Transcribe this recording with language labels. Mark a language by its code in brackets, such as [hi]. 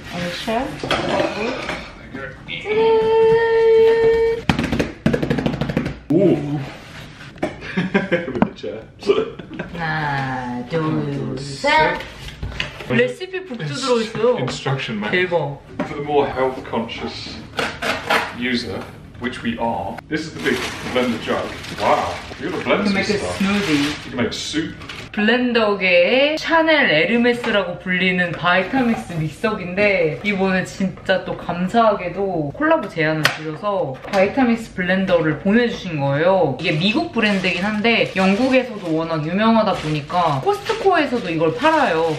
[en] On the chair? With the chair. [ko] 하나, 둘, 셋. 레시피 북도 들어있어요. [en] Instruction map. [ko] 대박. [en] For the more health conscious user, which we are, this is the big blender jug. Wow. You have a blender. You can make a smoothie. You can make soup. [ko] 블렌더계의 샤넬 에르메스라고 불리는 바이타믹스 믹서기인데 이번에 진짜 또 감사하게도 콜라보 제안을 드려서 바이타믹스 블렌더를 보내주신 거예요. 이게 미국 브랜드이긴 한데 영국에서도 워낙 유명하다 보니까 코스트코에서도 이걸 팔아요.